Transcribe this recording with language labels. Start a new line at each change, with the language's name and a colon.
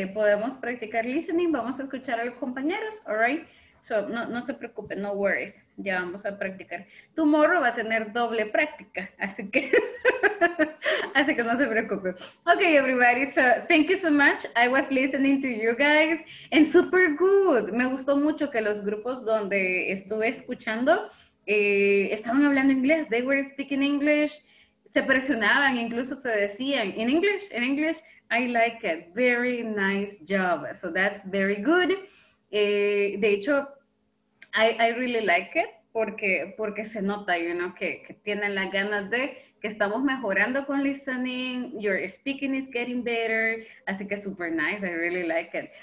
Spanish: Podemos practicar listening, vamos a escuchar a los compañeros,
English: all right?
Spanish: So, no se preocupe,
English: no worries.
Spanish: Ya vamos a practicar. Tomorrow va a tener doble práctica, así que no se preocupe.
English: Okay, everybody, so thank you so much. I was listening to you guys and super good.
Spanish: Me gustó mucho que los grupos donde estuve escuchando estaban hablando inglés.
English: They were speaking English.
Spanish: Se presionaban, incluso se decían,
English: in English, I like it, very nice job, so that's very good.
Spanish: De hecho,
English: I really like it,
Spanish: porque se nota,
English: you know,
Spanish: que tienen las ganas de que estamos mejorando con
English: listening, your speaking is getting better,
Spanish: así que
English: super nice, I really like it.